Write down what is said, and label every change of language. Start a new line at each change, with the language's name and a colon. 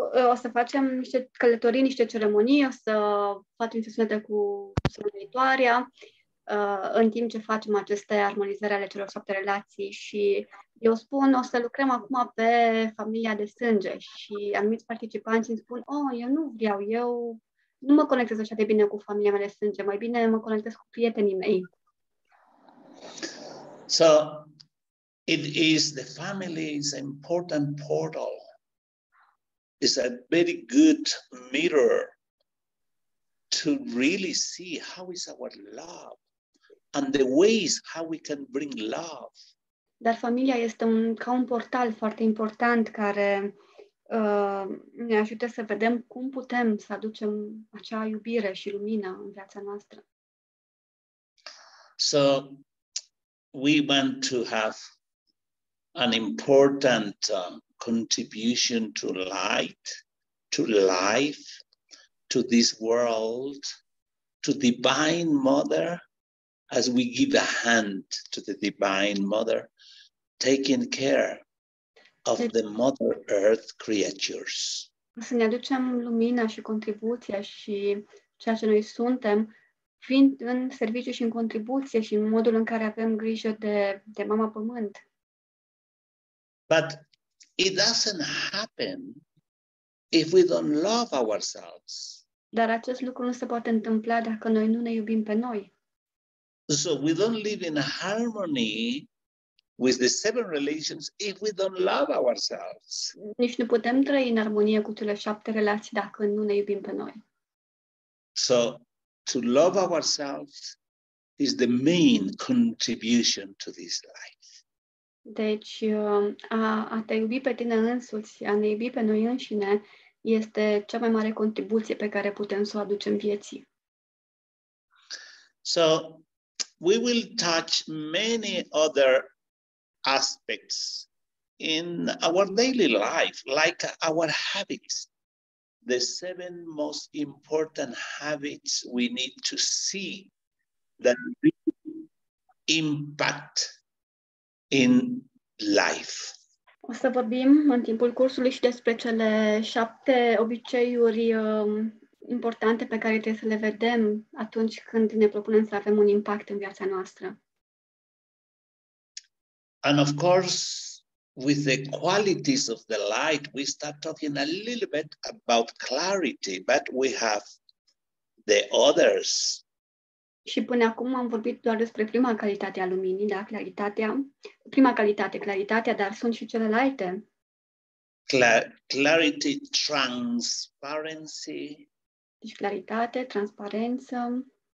Romanian: O să facem niște călătorii, niște ceremonii, o să facem sesiunea cu sănătoarea în timp ce facem aceste armonizări ale celor 7 relații și eu spun, o să lucrăm acum pe familia de sânge și anumiți participanți îmi spun, oh, eu nu vreau, eu nu mă conectez așa de bine cu familia mea de sânge, mai bine mă conectez cu prietenii mei.
English: So, it is the family is an important portal. It's a very good mirror to really see how is our love and the ways how we can bring love.
Romanian: Dar familia este ca un portal foarte important care ne ajută să vedem cum putem să aducem acea iubire și lumină în viața noastră.
English: So, we want to have an important contribution to light, to life, to this world, to Divine Mother, as we give a hand to the Divine Mother, taking care of the Mother Earth creatures.
Romanian: Să ne aducem lumina și contribuția și ceea ce noi suntem, fiind în serviciu și în contribuție și în modul în care avem grijă de Mama Pământ.
English: But it doesn't happen if we don't love ourselves.
Romanian: Dar acest lucru nu se poate întâmpla dacă noi nu ne iubim pe noi.
English: So we don't live in harmony with the 7 relations if we don't love ourselves.
Romanian: Nici nu putem trăi în armonie cu cele 7 relații dacă nu ne iubim pe noi.
English: So to love ourselves is the main contribution to this life.
Romanian: Deci, a te iubi pe tine însuți, a ne iubi pe noi înșine, este cea mai mare contribuție pe care putem să o aducem vieții.
English: So, we will touch many other aspects in our daily life, like our habits, the 7 most important habits we need to see that really impact in life.
Romanian: O să vorbim în timpul cursului și despre cele 7 obiceiuri importante pe care trebuie să le vedem atunci când ne propunem să avem un impact în viața noastră.
English: And of course, with the qualities of the light, we start talking a little bit about clarity, but we have the others.
Romanian: Și până acum am vorbit doar despre prima calitate a luminii, da, claritatea. Prima calitate, claritatea, dar sunt și celelalte.
English: Clarity, transparency.
Romanian: Deci claritate, transparență.